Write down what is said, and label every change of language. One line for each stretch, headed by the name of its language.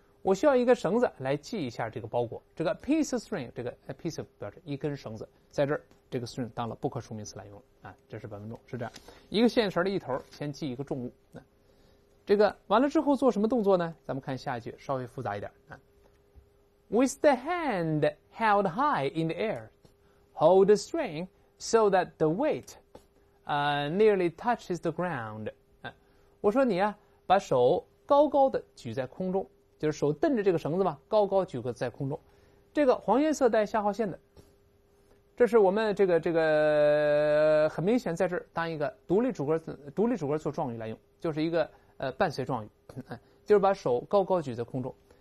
Chinese: 我需要一个绳子来系一下这个包裹。这个 piece of string， 这个 piece 表示一根绳子，在这儿。这个 string 当了不可数名词来用啊，这是本文中是这样，一个线绳的一头先系一个重物、啊、这个完了之后做什么动作呢？咱们看下一句，稍微复杂一点啊。
English: With the hand held high in the air, hold the string so that the weight, nearly touches the ground、啊。
Chinese: 我说你啊，把手高高的举在空中，就是手蹬着这个绳子嘛，高高举个在空中，这个黄颜色带下划线的。这是我们这个很明显在这儿当一个独立主格做状语来用，就是一个伴随状语，就是把手高高举在空中。